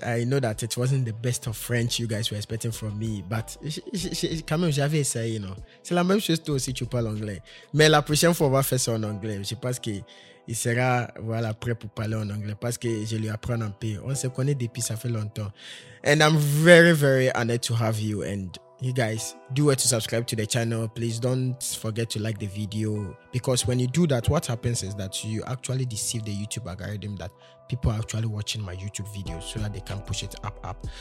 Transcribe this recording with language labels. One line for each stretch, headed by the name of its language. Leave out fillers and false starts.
English: I know that it wasn't the best of French you guys were expecting from me, but
French: quand même, j'avais essayé,
English: you know.
French: C'est la même chose toi aussi, tu parles anglais. Mais la prochaine fois, on va faire ça en anglais. Je pense que il sera voilà prêt pour parler en anglais parce que je lui apprends un peu. On se connaît depuis ça fait longtemps.
English: And I'm very very honored to have you. And you guys do well to subscribe to the channel. Please don't forget to like the video because when you do that, what happens is that you actually deceive the YouTube algorithm that people are actually watching my YouTube videos so that they can push it up.